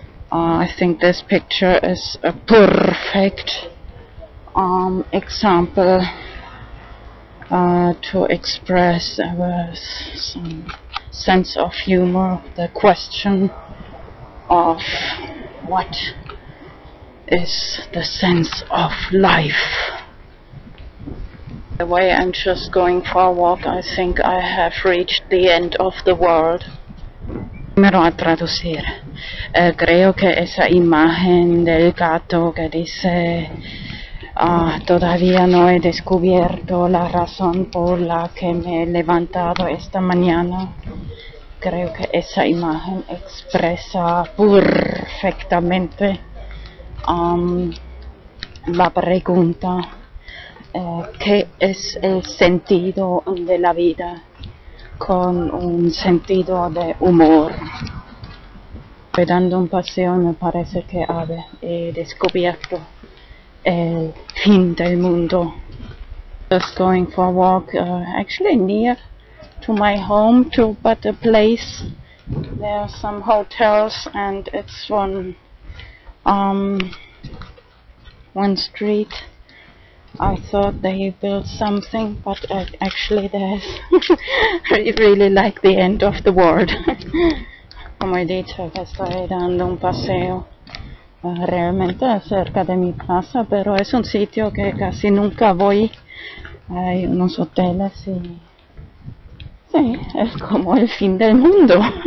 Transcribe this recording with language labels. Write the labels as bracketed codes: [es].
[en] I think this picture is a perfect example to express with some sense of humor the question of what is the sense of life. The way I'm just going for a walk, I think I have reached the end of the world. [es] Primero a traducir. Creo que esa imagen del gato que dice todavía no he descubierto la razón por la que me he levantado esta mañana. Creo que esa imagen expresa perfectamente la pregunta ¿qué es el sentido de la vida? Con un sentido de humor. Dando un paseo me parece que he descubierto el fin del mundo. [en] Just going for a walk, actually near to my home too, but a place. There are some hotels and it's one street. I thought they built something, but actually there's really like the end of the world. [es] Como he dicho, que estoy dando un paseo realmente cerca de mi casa, pero es un sitio que casi nunca voy. Hay unos hoteles y sí, es como el fin del mundo.